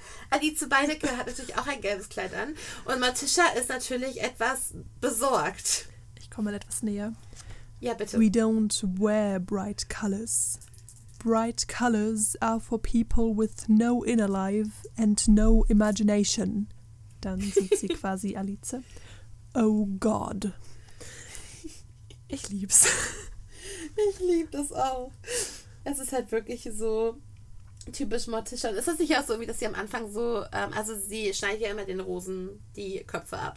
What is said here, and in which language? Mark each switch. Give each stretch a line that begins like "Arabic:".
German: Alice Beinecke hat natürlich auch ein gelbes Kleid an. Und Morticia ist natürlich etwas besorgt. Ich komme mal etwas näher. Ja, bitte.
English: We don't wear bright colors. bright colors are for people with no inner life and no imagination.
German: Dann sieht sie quasi Alice.
English: Oh God.
German: Ich lieb's. Ich lieb das auch. Es ist halt wirklich so typisch Morticia. Ist das nicht auch so, wie dass sie am Anfang so, also sie schneidet ja immer den Rosen die Köpfe ab.